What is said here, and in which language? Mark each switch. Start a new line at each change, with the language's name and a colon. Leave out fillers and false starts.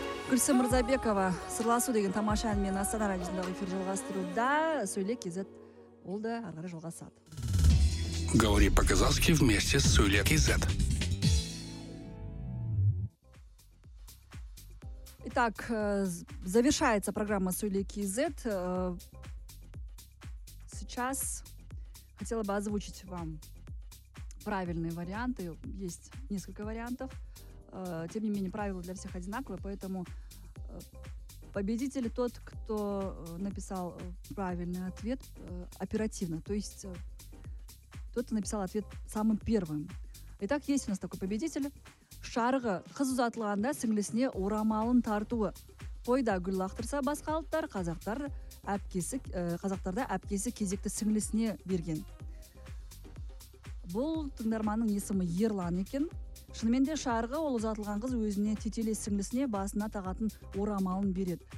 Kazakh: Айсы Мырзабекова сырласу деген тамаша ән мен Астана радиосындағы эфир жалғастыруда сөйле кезет ол да ары қарай жалғасады.
Russian: Говори по-казахски вместе с сөйле кезет. Итак, завершается программа «Сөйле кезет». Сейчас хотела бы озвучить вам правильные варианты. Есть несколько вариантов. Тем не менее, правила для всех одинаковые, поэтому победитель тот, кто написал правильный ответ оперативно. То есть тот, кто написал ответ самым первым. Итак, есть у нас такой победитель.
Kazakh: Шарғы қыз ұзатылғанда сіңлісіне орамалын тартуы. Тойда гүл лақтырса басқалықтар, қазақтарда әпкесі кезекті сіңлісіне берген. Бұл тыңдарманың есімі Ерлан екен. Шынымен де шарғы ол ұзатылған қыз өзіне тетеле сіңлісіне басына тағатын орамалын береді.